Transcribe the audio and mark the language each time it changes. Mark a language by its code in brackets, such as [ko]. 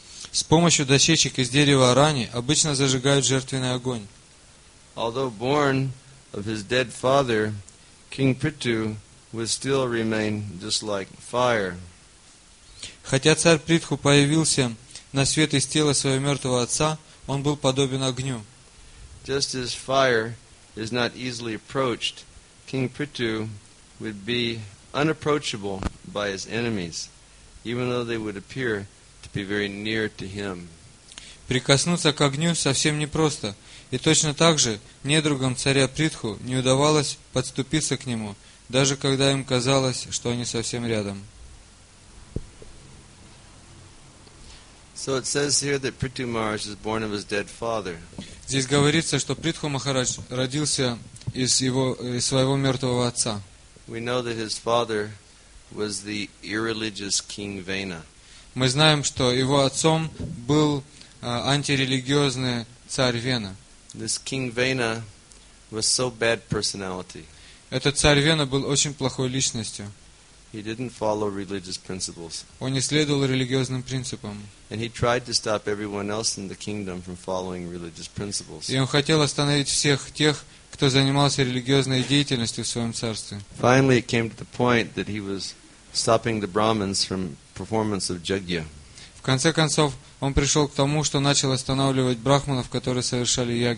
[ru] С помощью дощечек из дерева Арани обычно зажигают жертвенный огонь. [en] Although born of his dead father, King Prithu would still remain just like fire. [ru] Хотя царь Притху появился на свет из тела своего мертвого отца, он был подобен огню. [en] Just as fire is not easily approached, King Prithu would be unapproachable by his enemies, even though they would appear to be very near to him. [ru] Прикоснуться к огню совсем непросто. И точно так же недругам царя Притху не удавалось подступиться к нему, даже когда им казалось, что они совсем рядом. [en] So it says here that Prithu Maharaj is born of his dead father. [ru] Здесь говорится, что Притху Махарадж родился из своего мертвого отца. [en] We know that his father was the irreligious King Vena. [ru] Мы знаем, что его отцом был антирелигиозный царь Вена. [en] This King Vena was so bad personality. [ru] Этот царь Вена был очень плохой личностью. [en] He didn't follow religious principles. [ru] Он не следовал религиозным принципам. [en] And he tried to stop everyone else in the kingdom from following religious principles. [ru] И он хотел остановить всех тех, кто занимался религиозной деятельностью в своем царстве. [en] Finally, it came to the point that he was stopping the Brahmins from performance of jagya. [ru] В конце концов, он пришел к тому, что начал останавливать брахманов, которые совершали